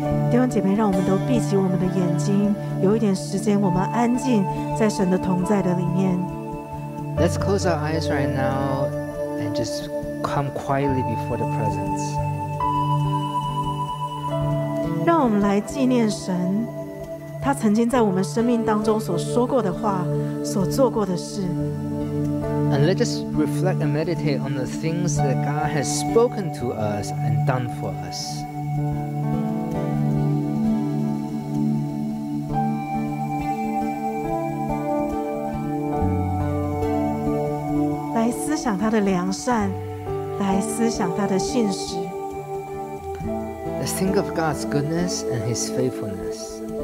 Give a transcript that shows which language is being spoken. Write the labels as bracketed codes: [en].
[zh] 弟兄姐妹，让我们都闭起我们的眼睛，有一点时间我们安静在神的同在的里面。 [en] Let's close our eyes right now and just come quietly before the presence. [zh] 让我们来纪念神，他曾经在我们生命当中所说过的话，所做过的事。 [en] And let us reflect and meditate on the things that God has spoken to us and done for us. [zh] 来思想他的良善，来思想他的信实。 [en] Let's think of God's goodness and His faithfulness.